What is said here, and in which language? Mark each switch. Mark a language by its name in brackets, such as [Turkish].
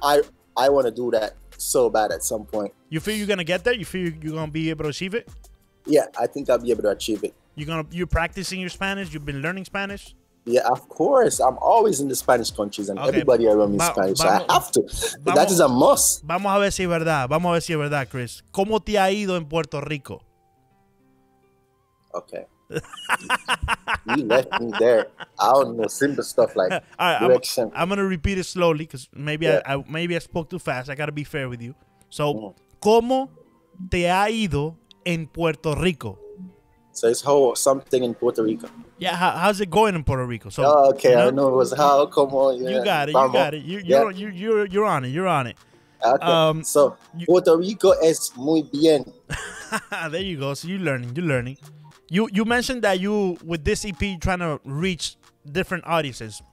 [English] I want to do that so bad at some point. You feel you're going to get there? You feel you're going to be able to achieve it? Yeah, I think I'll be able to achieve it. You're practicing your Spanish? You've been learning Spanish? Yeah, of course. I'm always in the Spanish countries and everybody around me is Spanish. [Spanish] Vamos, [English] so I have to. Vamos, that is a must. [Spanish] Vamos a ver si es verdad. Vamos a ver si es verdad, Chris. ¿Cómo te ha ido en Puerto Rico? [English] Okay. He left me there. I don't know, simple stuff like right, direction. I'm going to repeat it slowly because maybe I spoke too fast. I got to be fair with you. [Spanish] So, ¿cómo te ha ido en Puerto Rico? [English] So, it's how something in Puerto Rico. Yeah, how's it going in Puerto Rico? So, oh, okay, you know, I know it was how, [Spanish] como. [English] Yeah. You got it, [Spanish] vamos. [English] You got it. You're on it. [Spanish] Okay. Puerto Rico es muy bien. [English] There you go. So you're learning. You mentioned that you, with this EP, you're trying to reach different audiences.